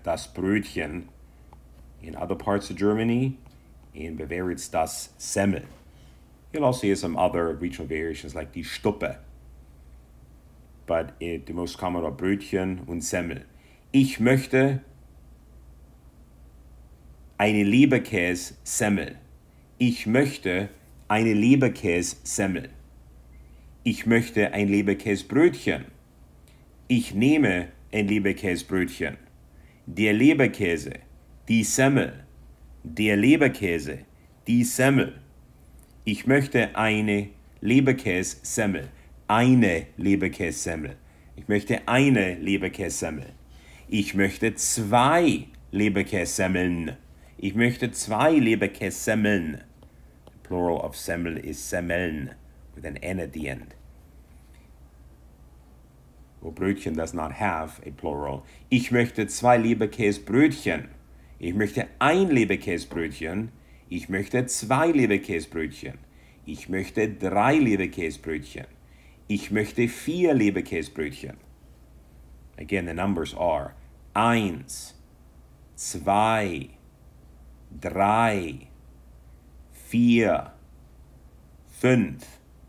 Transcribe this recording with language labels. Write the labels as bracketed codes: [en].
[en] Das Brötchen in other parts of Germany. In Bavaria, it's das Semmel. You'll also hear some other regional variations like die Stuppe. But the most common are Brötchen und Semmel. [de] Ich möchte eine Leberkäs-Semmel. Ich möchte eine Leberkäs-Semmel. Ich möchte ein Leberkäsbrötchen. Ich nehme ein Leberkäsbrötchen. Der Leberkäse, die Semmel. Der Leberkäse, die Semmel. Ich möchte eine Leberkäs-Semmel. Eine Leberkäs-Semmel. Ich möchte eine Leberkäs-Semmel. Ich möchte zwei Leberkäs-Semmeln. Ich möchte zwei Leberkäs-Semmeln. [en] The plural of Semmel is Semmeln, with an N at the end. Well, Brötchen does not have a plural. [de] Ich möchte zwei Leberkäsbrötchen. Ich möchte ein Leberkäsbrötchen. Ich möchte zwei Leberkäsbrötchen. Ich möchte drei Leberkäsbrötchen. Ich möchte vier Leberkäsbrötchen. [en] Again, the numbers are 1, 2, 3, 4, 5.